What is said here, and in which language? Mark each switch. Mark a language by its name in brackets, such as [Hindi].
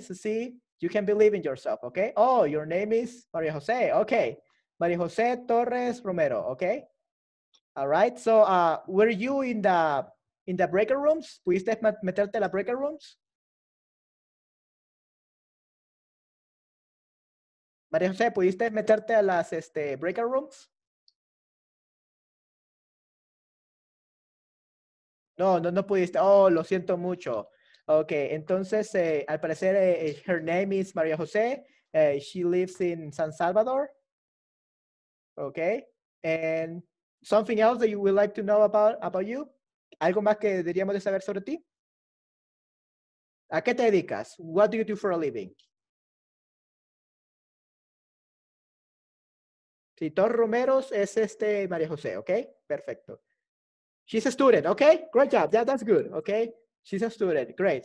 [English] So see, you can believe in yourself. Okay. Oh, your name is Maria Jose. Okay. Maria Jose Torres Romero. Okay. All right. So, were you in the breaker rooms? [Spanish] ¿Pudiste meterte a la breaker rooms? María José, ¿pudiste meterte a las breakout rooms? No pudiste. Oh, lo siento mucho. Ok, entonces, al parecer, [English] her name is [Spanish] María José. [English] She lives in San Salvador. Ok. And something else that you would like to know about you? [Spanish] ¿Algo más que deberíamos de saber sobre ti? ¿A qué te dedicas? [English] What do you do for a living? [Spanish] Sí, Tor Romeros es María José, ¿ok? Perfecto. [English] She's a student, ¿ok? Great job, that's good, ¿ok? She's a student, great.